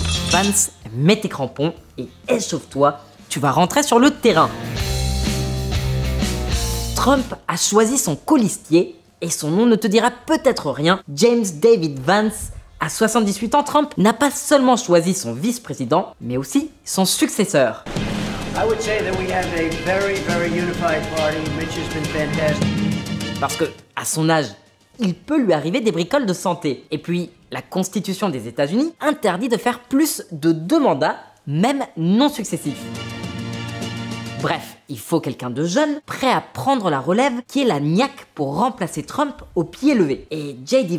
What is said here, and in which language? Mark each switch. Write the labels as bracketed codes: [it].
[fr] Vance, mets tes crampons et échauffe-toi, tu vas rentrer sur le terrain. Trump a choisi son colistier et son nom ne te dira peut-être rien. James David Vance, à 78 ans, Trump n'a pas seulement choisi son vice-président, mais aussi son successeur. [en] I would say that we have a very, very unified party. Mitch has been fantastic. [fr] Parce que, à son âge, il peut lui arriver des bricoles de santé. Et puis, la Constitution des États-Unis interdit de faire plus de 2 mandats, même non successifs. Bref, il faut quelqu'un de jeune, prêt à prendre la relève, qui est la niaque pour remplacer Trump au pied levé. Et J.D.